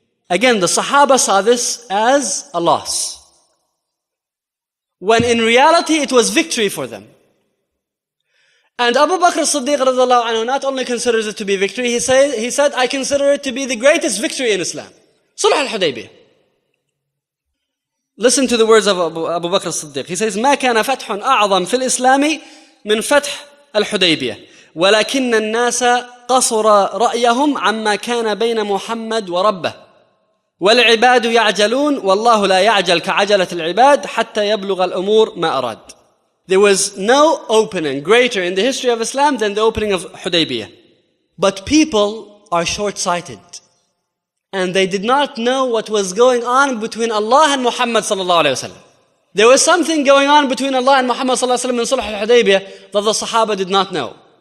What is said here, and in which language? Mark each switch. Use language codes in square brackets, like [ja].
[en] Again, the Sahaba saw this as a loss, when in reality, it was victory for them. And Abu Bakr As-Siddiq radiallahu anhu not only considers it to be victory, he said, I consider it to be the greatest victory in Islam. Sulh al-Hudaybiyah. Listen to the words of Abu Bakr as-Siddiq. He says, [ar] "ما كان فتح أعظم في الإسلام من فتح الحديبية، ولكن الناس قصر رأيهم عما كان بين محمد وربه، والعباد يعجلون والله لا يعجل كعجلة العباد حتى يبلغ الأمور ما أراد." [en] There was no opening greater in the history of Islam than the opening of Hudaybiyah. But people are short-sighted. And they did not know what was going on between Allah and Muhammad sallallahu alayhi wa sallam. There was something going on between Allah and Muhammad sallallahu alayhi wa sallam in Sulh al-Hudaybiyah that the Sahaba did not know.